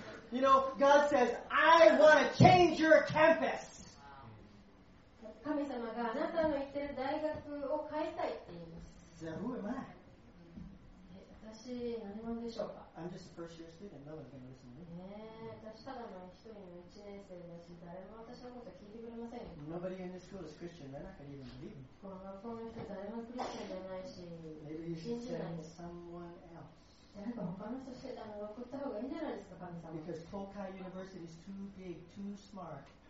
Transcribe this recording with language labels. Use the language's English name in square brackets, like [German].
[English] You know, God says, I want to change your campus. [Japanese] 神様があなたの行ってる大学を変えたいって言います。 [English] じゃあ、who am I? [Japanese] 私、何者でしょうか? [English] I'm just a first year student. No one can listen to me. [Japanese] 私ただの一人の1年生だし、誰も私のこと聞いてくれません。 [English] Nobody in this school is Christian. They're not going to even believe me. [Japanese] この学校の人、誰もクリスチャンじゃないし、 [English] Maybe you should send someone else. Because Tokai University is too big, too smart.